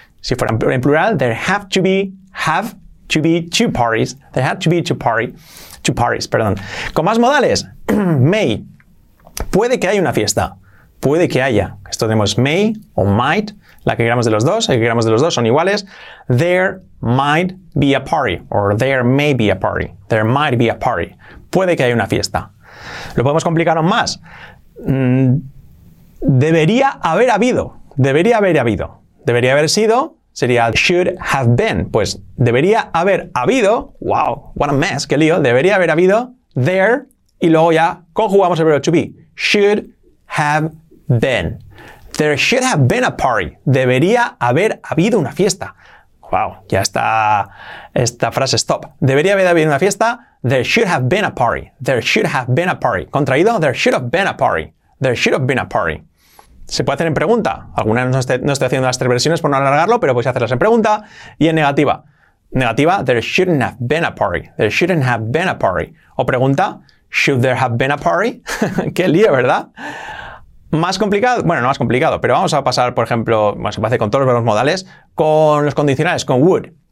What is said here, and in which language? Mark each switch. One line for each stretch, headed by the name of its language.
Spanish: Si fuera en plural,
English: there have to be, have to be two parties. There have to be two parties,
Spanish: perdón. Con más modales.
English: May.
Spanish: Puede que haya una fiesta. Puede que haya. Esto tenemos may o might. La que queramos de los dos, la que queramos de los dos son iguales.
English: There might be a party. Or there may be a party. There might be a party.
Spanish: Puede que haya una fiesta. Lo podemos complicar aún más. Debería haber habido. Debería haber habido. Debería haber sido.
English: Sería should have been.
Spanish: Pues debería haber habido.
English: Wow, what a mess,
Spanish: qué lío. Debería haber habido there. Y luego ya conjugamos el verbo to be.
English: Should have been. There should have been a party.
Spanish: Debería haber habido una fiesta. Wow, ya está esta frase stop. Debería haber habido una fiesta.
English: There should have been a party. There should have been a party. Contraído, there should have been a party. There should have been a party.
Spanish: Se puede hacer en pregunta. Alguna vez no estoy haciendo las tres versiones por no alargarlo, pero podéis hacerlas en pregunta. Y en negativa.
English: Negativa, there shouldn't have been a party. There shouldn't have been a party.
Spanish: O pregunta,
English: should there have been a party?
Spanish: Qué lío, ¿verdad? Más complicado, bueno, no más complicado, pero vamos a pasar, por ejemplo, se puede hacer con todos los verbos modales, con los condicionales, con would.